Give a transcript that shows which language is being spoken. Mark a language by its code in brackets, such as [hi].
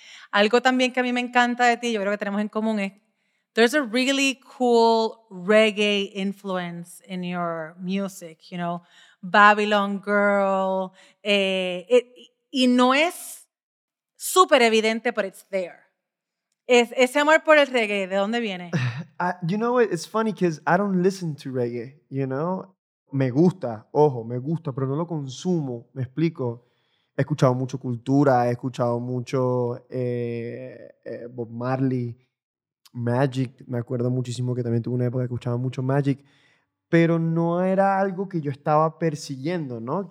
[es] Algo también que a mí me encanta de ti, yo creo que tenemos en común, es [en] there's a really cool reggae influence in your music, you know, Babylon Girl, [es] y no es súper evidente, [en] but it's there. [es] Ese amor por el reggae, ¿de dónde viene? [en] You know, it's funny because I don't listen to reggae, you know. [es] Me gusta, ojo, me gusta, pero no lo consumo, ¿me explico? He escuchado mucho Cultura, he escuchado mucho Bob Marley, Magic, me acuerdo muchísimo que también tuve una época que escuchaba mucho Magic, pero no era algo que yo estaba persiguiendo, ¿no?